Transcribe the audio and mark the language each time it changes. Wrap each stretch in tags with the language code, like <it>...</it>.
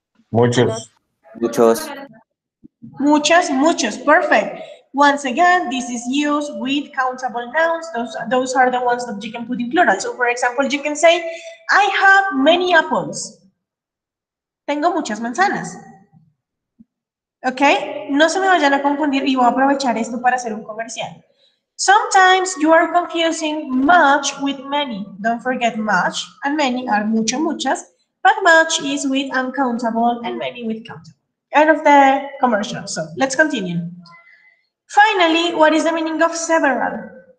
<es>Muchos. Muchos. Muchas, muchos.</es> <en>Perfect. Once again, this is used with countable nouns. Those are the ones that you can put in plural. So, for example, you can say, I have many apples.</en> <es>Tengo muchas manzanas. Okay? No se me vayan a confundir y voy a aprovechar esto para hacer un comercial.</es> <en>Sometimes you are confusing much with many. Don't forget much and many are mucho, muchas. But much is with uncountable and many with countable. End of the commercial. So, let's continue. Finally, what is the meaning of several?</en>